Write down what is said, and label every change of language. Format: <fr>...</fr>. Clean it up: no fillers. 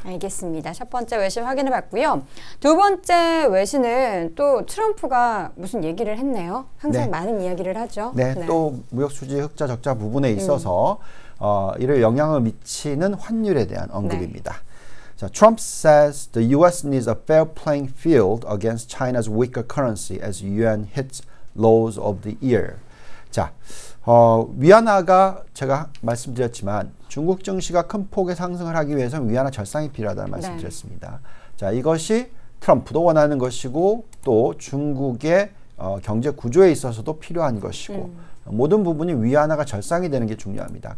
<ko>알겠습니다. 첫 번째 외신 확인해 봤고요. 두 번째 외신은 또 트럼프가 무슨 얘기를 했네요. 항상 네. 많은 이야기를 하죠. 네, 네. 또 무역 수지 흑자 적자 부분에 있어서 이를 영향을 미치는 환율에 대한 언급입니다.</ko> <en>네. So Trump says the U.S. needs a fair playing field against China's weaker currency as yuan hits lows of the year.</en> <ko>자, 위안화가 제가 말씀드렸지만 중국 증시가 큰 폭의 상승을 하기 위해서는 위안화 절상이 필요하다는 말씀드렸습니다. 네. 자, 이것이 트럼프도 원하는 것이고 또 중국의 경제 구조에 있어서도 필요한 것이고 모든 부분이 위안화가 절상이 되는 게 중요합니다.</ko>